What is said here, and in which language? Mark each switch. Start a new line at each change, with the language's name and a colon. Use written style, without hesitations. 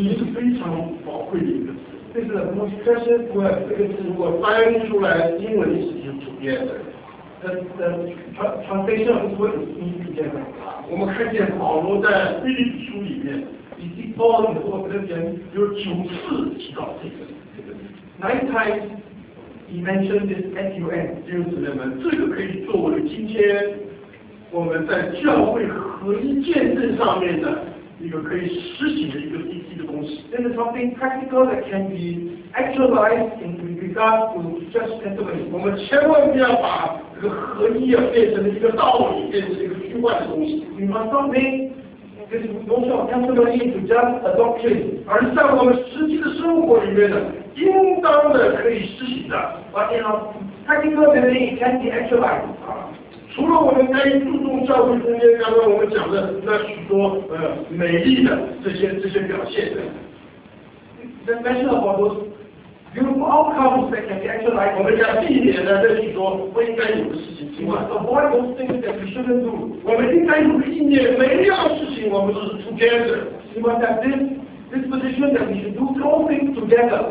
Chinese: is 非常宝贵的一个词。
English: This is the most precious word.
Chinese: 这个字如果翻出来，英文是挺普遍的。
English: The translation of the word is pretty common.
Chinese: 我们看见保罗在腓立比书里面，以及保罗在这边有九次提到这个。
English: Nine times he mentioned this S-U-N.
Chinese: 弟兄姊妹们，这个可以作为今天我们在教会合一见证上面的。一个可以实行的一个具体的东西。
English: This is something practical that can be actualized in regard to just testimony.
Chinese: 我们千万不要把这个合一啊变成了一个道理，变成一个虚幻的东西。
English: We must not make this notion of testimony into just a doctrine.
Chinese: 而在我们实际的生活里面呢，应当的可以实行的。
English: But in a practical way, it can be actualized.
Chinese: 除了我们该注重教会空间，刚才我们讲的那许多美丽的这些表现的
English: ，the mention about those beautiful outcomes that can be actualized，
Chinese: 我们要避免的这许多不应该有的事情。
English: We must avoid those things that we shouldn't do。
Chinese: 我们应该有避免每一样事情，我们都是 together。
English: We must have this disposition that we should do all things together。